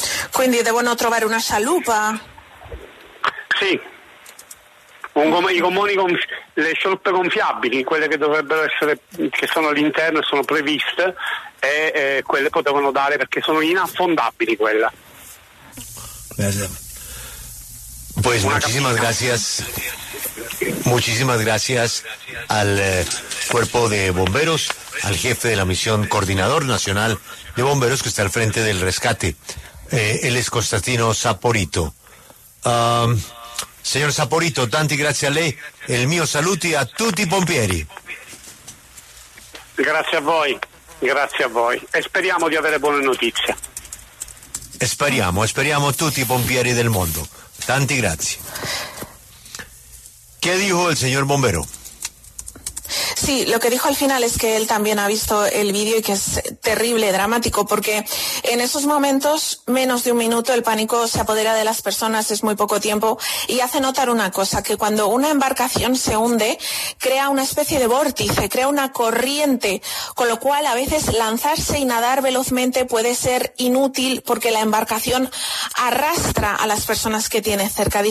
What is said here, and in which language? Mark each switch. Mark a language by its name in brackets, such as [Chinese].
[Italian] Quindi devono trovare una scialuppa? Sì. I gommoni, le scialuppe gonfiabili, quelle che dovrebbero essere, che sono all'interno e sono previste, e quelle potevano dare, perché sono inaffondabili quelle. Grazie. [Spanish] Pues muchísimas gracias. Muchísimas gracias al cuerpo de bomberos, al jefe de la misión coordinador nacional de bomberos que está al frente del rescate. Él es Costantino Saporito. [Italian] Signor Saporito, tanti grazie a lei, il mio saluti a tutti i pompieri. Grazie a voi, e speriamo di avere buone notizie. Speriamo tutti i pompieri del mondo, tanti grazie. Che [Spanish] dijo [Italian] il signor [Spanish] bombero? Sí, lo que dijo al final es que él también ha visto el vídeo y que es terrible, dramático, porque en esos momentos, menos de un minuto, el pánico se apodera de las personas, es muy poco tiempo, y hace notar una cosa, que cuando una embarcación se hunde, crea una especie de vórtice, crea una corriente, con lo cual a veces lanzarse y nadar velozmente puede ser inútil, porque la embarcación arrastra a las personas que tiene cerca.